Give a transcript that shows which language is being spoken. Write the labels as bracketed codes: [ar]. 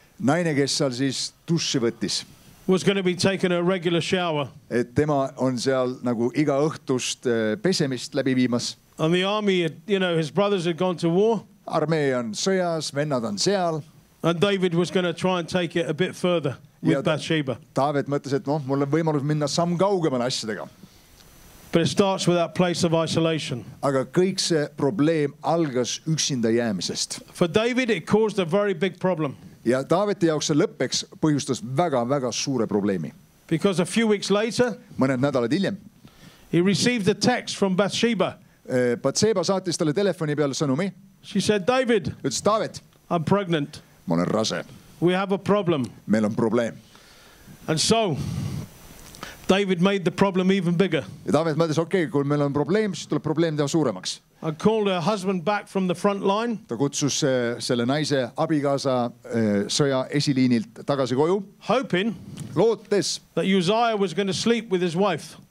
[et] naine, kes seal siis tussi võttis, [en] was going to be taking a regular shower. [et] Et tema on seal nagu iga õhtust pesemist läbi viimas. [en] And the army, you know, his brothers had gone to war. [et] Armee on sõjas, vennad on seal. [en] And David was going to try and take it a bit further with Bathsheba. [et] David mõtles, et noh, mul on võimalus minna samm kaugemal asjadega. [en] But it starts with that place of isolation. [et] Aga kõik see probleem algas üksinda jäämisest. [en] For David, it caused a very big problem. [et] Ja Daaveti jaoks see lõppeks põhjustas väga, väga suure probleemi. [en] Because a few weeks later, [et] mõned nädalad hiljem, [en] he received a text from Bathsheba. [et] Batseba saatis talle telefoni peale sõnumi. [en] She said, David, [et] ütles, David, [en] I'm pregnant. [et] Ma olen rase. [en] We have a problem. [et] Meil on probleem. [en] And so, David made the problem even bigger. [et] Ja David mõtles, okei, kui meil on probleem, siis tuleb probleem teha suuremaks. [en] I called her husband back from the front line. [et] Ta kutsus selle naise abikaasa sõja esiliinilt tagasi koju. [en] Hoping, [et] lootes, [en] that Uzziah was going to sleep with his wife.